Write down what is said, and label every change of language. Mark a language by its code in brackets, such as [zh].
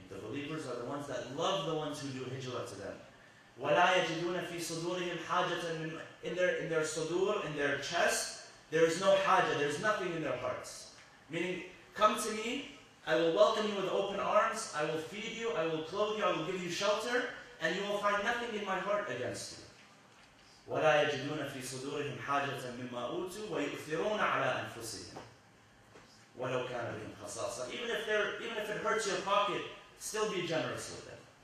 [en] The believers are the ones that love the ones who do hijrah to them. [ar] ولا يجدون في صدورهم حاجة [en] in their صدور, in their chest, there is no حاجة, there is nothing in their hearts. Meaning, come to me, I will welcome you with open arms, I will feed you, I will clothe you, I will give you shelter, and you will find nothing in my heart against you. [ar] ولا يجدون في صدورهم حاجة مما أوتوا ويؤثرون على أنفسهم ولو كان بهم خصاصة. [en] Even if it hurts your pocket, still be generous with them.